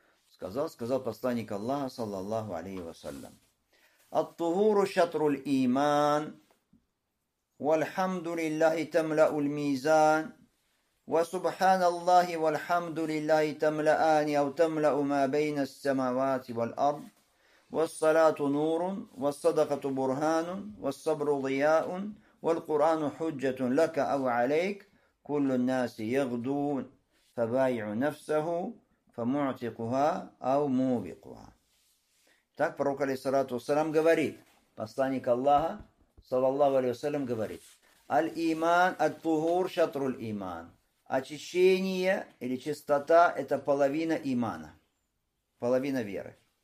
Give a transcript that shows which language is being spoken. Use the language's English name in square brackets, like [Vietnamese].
[Russian] Сказал посланник Аллаха, саллаллаху алейхи вассалям. [Arabic] «Ат-тухуру шатруль иман, вальхамду лиллахи тамлау лмизан, ва субханаллахи вальхамду лиллахи тамлаани, ау тамлау ма бейна ссамавати валь ард». والصلاة نور والصدقة برهان والصبر ضياء والقرآن حجة لك أو عليك كل الناس يغدو فبايع نفسه فمعتقها أو موبقها. [Russian] Так пророк алейхиссалату вассалям говорит, посланник Аллаха, саллаллаху алейхи вассалям говорит, [Arabic] аль-иман, ат-тухур, шатру-л-иман. [Russian] Очищение или чистота – это половина имана, половина веры.